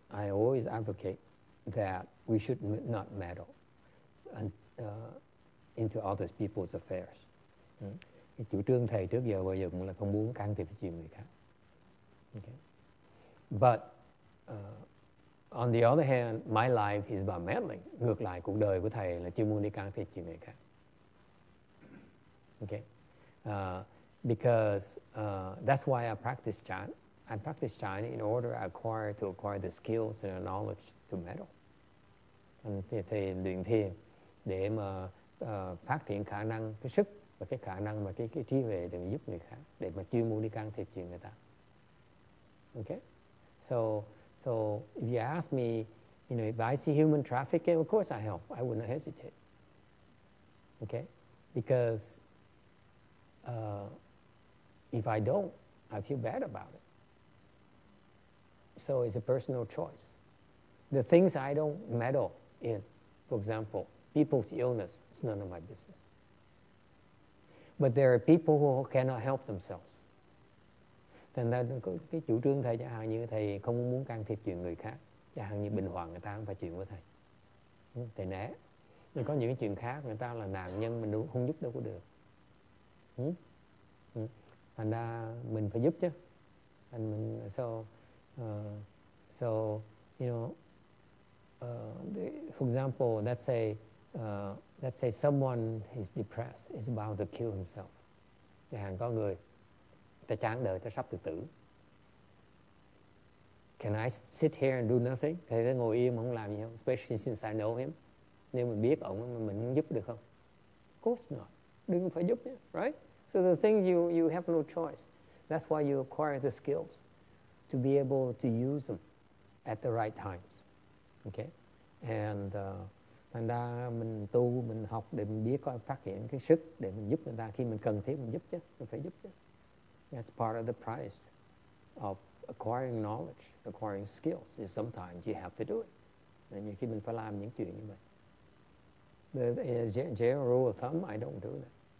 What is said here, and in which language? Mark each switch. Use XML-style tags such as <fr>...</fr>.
<en>I always advocate that we should not meddle. And, into other people's affairs. Mm.</en> <vi>Chủ trương thầy trước giờ bao giờ cũng là không muốn can thiệp chuyện người khác.</vi> <en>Okay. But on the other hand, my life is about meddling.</en> <vi>Ngược lại, cuộc đời của thầy là chuyên môn đi can thiệp chuyện người khác.</vi> <en>Okay. Because that's why I practice chan. I practice chan in order to acquire the skills and the knowledge to meddle.</en> <vi>Thầy luyện thiền để mà phát triển khả năng, cái sức và cái khả năng mà cái trí huệ để giúp người khác, để mà chuyên môn đi can thiệp chuyện người ta.</vi> <en>Okay? So if you ask me, you know, if I see human trafficking, of course I help. I wouldn't hesitate. Okay? Because if I don't, I feel bad about it. So it's a personal choice. The things I don't meddle in, for example, people's illness, it's none of my business. But there are people who cannot help themselves.</en> <vi>Then cái chủ trương thầy chẳng hạn như thầy không muốn can thiệp chuyện người khác, chẳng hạn như bệnh hoạn người ta không phải chuyện của thầy. Thầy né. Nhưng có những chuyện khác người ta là nạn nhân mình không giúp đâu có được. Thành ra mình phải giúp chứ.</vi> <en>And for example, let's say someone is depressed, is about to kill himself.</en> <vi>Chẳng hạn có người, ta chán đời, ta sắp tự tử.</vi> <en>Can I sit here and do nothing?</en> <vi>Thầy ta ngồi im, không làm gì không?</vi> <en>Especially since I know him.</en> <vi>Nếu mình biết ổng, mình không giúp được không?</vi> <en>Of course not.</en> <vi>Đừng phải giúp nhé, right?</vi> <en>So the thing, you have no choice. That's why you acquire the skills to be able to use them at the right times. Okay?</en> <vi>And thành ra mình tu, mình học để mình biết có phát hiện cái sức để mình giúp người ta khi mình cần thiết mình giúp chứ, mình phải giúp chứ.</vi> <en>That's part of the price of acquiring knowledge, acquiring skills, is sometimes you have to do it. And you keep in</en> <vi>phải làm những chuyện như vậy.</vi> <en>But as a general rule of thumb, I don't do that.</en>